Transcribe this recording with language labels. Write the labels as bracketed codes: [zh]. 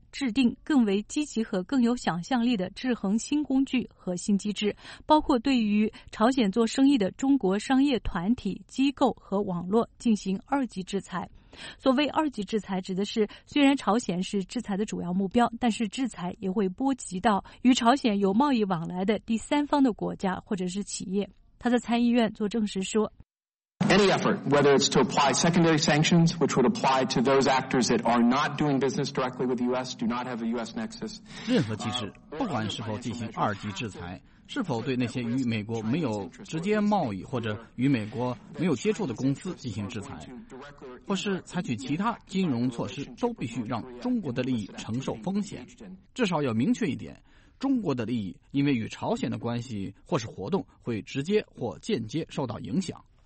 [zh] 制定更为积极和更有想象力的制衡新工具和新机制，包括对于朝鲜做生意的中国商业团体、机构和网络进行二级制裁。所谓二级制裁，指的是虽然朝鲜是制裁的主要目标，但是制裁也会波及到与朝鲜有贸易往来的第三方的国家或者是企业。他在参议院做证实说， [en] Any effort, whether it's to apply secondary sanctions, which would apply to those actors that are not doing business directly with the U.S., do not have a U.S. nexus. [zh] 任何机制，不管是否进行二级制裁，是否对那些与美国没有直接贸易或者与美国没有接触的公司进行制裁，或是采取其他金融措施，都必须让中国的利益承受风险。至少要明确一点，中国的利益因为与朝鲜的关系或是活动会直接或间接受到影响。